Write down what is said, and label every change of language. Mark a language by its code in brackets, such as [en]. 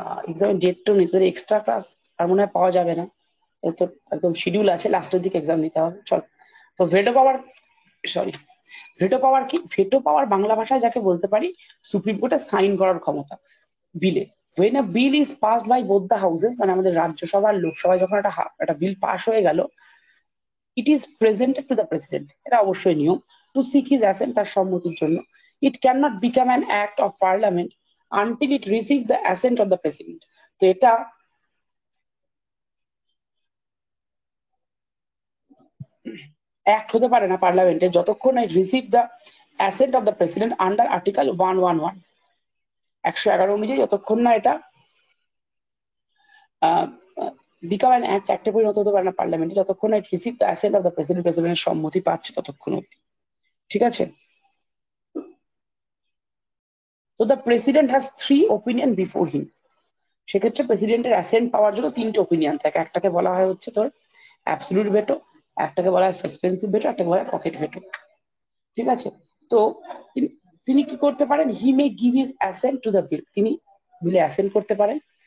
[bn] এক্সামের ডেটটা নেই, তোদের এক্সট্রা ক্লাস আর মনে হয় পাওয়া যাবে না, তো একদম শিডিউল আছে, লাস্টের দিকে এক্সাম নিতে হবে। চল, তো ভেটো পাওয়ার, সরি ভেটো পাওয়ার কি, ভেটো পাওয়ার বাংলা ভাষায় যাকে বলতে পারি সুপ্রিম কোর্টে সাইন করার ক্ষমতা বিলে, [en] When a bill is passed by both the houses, মানে আমাদের রাজ্যসভা আর লোকসভা যখন একটা বিল পাস হয়ে গেল, it is presented to the president. [bn] এটা অবশ্যই নিয়ম, to seek his assent, তার সম্মতির জন্য. [en] It cannot become an act of parliament until it receives the assent of the president. তো এটা act হতে পারে না পার্লামেন্টে যতক্ষণ it receives the assent of the president under article 111. [bn] 111 অনুযায়ী যতক্ষণ না এটা become an act, active পরিণত হতে পারে না পার্লামেন্টে যতক্ষণ না it receives the assent of the president, president সম্মতি পাচ্ছে ততক্ষণ অবধি. ঠিক আছে? [en] So the president has three opinion before him. [bn] সেক্ষেত্রে প্রেসিডেন্টের অ্যাসেন্ট পাওয়ার জন্য তিনটে ওপিনিয়ন থাকে. একটাকে বলা হয় হচ্ছে তোর অ্যাবসলিউট ভেটো, একটাকে বলা হয় সাসপেন্সিভ ভেটো, একটাকে বলা হয় পকেট ভেটো. ঠিক আছে? তো তিনি কি করতে পারেন, হি মে give his accent to the বিল, তিনি বিলে অ্যাসেন্ট করতে পারেন.